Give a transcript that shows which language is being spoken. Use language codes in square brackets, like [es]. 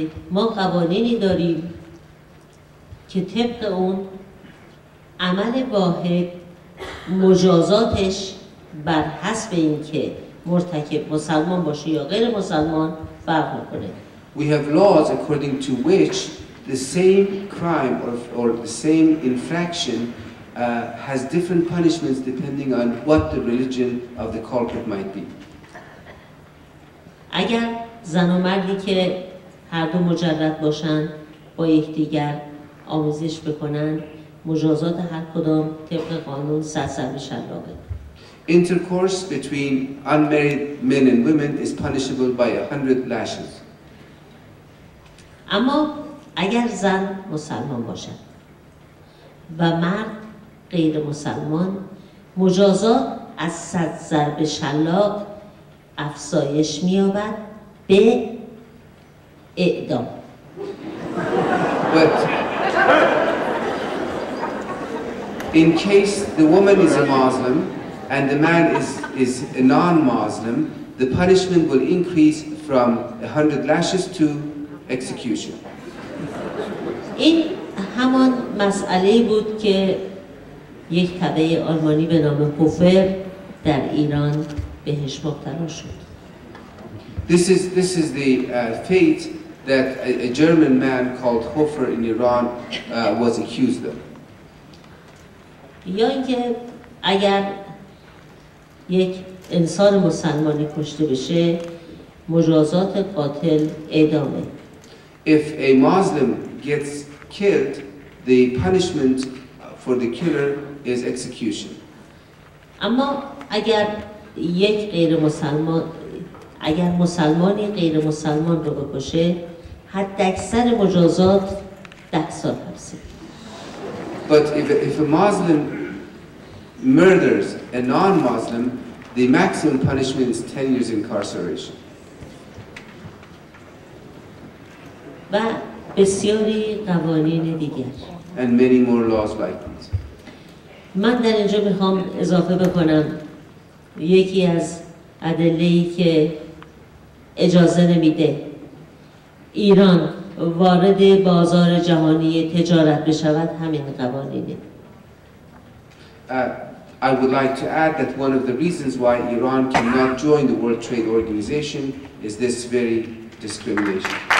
[fa] ما قوانینی داریم که طبق اون عمل واحد مجازاتش بر حسب اینکه مرتکب مسلمان باشه یا غیر مسلمان فرق میکنه. [en] We have laws according to which the same crime or the same infraction has different punishments depending on what the religion of the culprit might be. [fa] اگر زن و مردی که هر دو مجرد باشن با یکدیگر آمیزش بکنن مجازات هر کدام طبق قانون سرسر میشن رابط. [en] Intercourse between unmarried men and women is punishable by 100 lashes. [fa] اما اگر زن مسلمان باشد و مرد غیر مسلمان مجازات از 100 ضرب شلاق افزایش می‌یابد به اعدام. [en] But in case the woman is a Muslim and the man is a non-Muslim, the punishment will increase from 100 lashes to execution. [fa] این همان مسئله بود که یک طبعه آلمانی به نام هوفر در ایران بهش مبتلا شد. [en] This is the fate that a German man called Hofer in Iran was accused of. [fa] یا اینکه اگر یک انسان مسلمانی کشته بشه مجازات قاتل اعدامه. [en] If a Muslim gets killed, the punishment for the killer is execution. [fa] اما اگر یک غیر مسلمان اگر مسلمانی غیر مسلمان رو بکشه حداکثر مجازات 10 سال هست. [en] But if a Muslim murders a non-Muslim, the maximum punishment is 10 years incarceration. [fa] و بسیاری قوانین دیگر. [en] And many more laws like these. [fa] من در اینجا میخوام اضافه بکنم یکی از ادله‌ای که اجازه نمیده ایران وارد بازار جهانی تجارت بشود همین قوانینه. [en] I would like to add that one of the reasons why Iran cannot join the World Trade Organization is this very discrimination.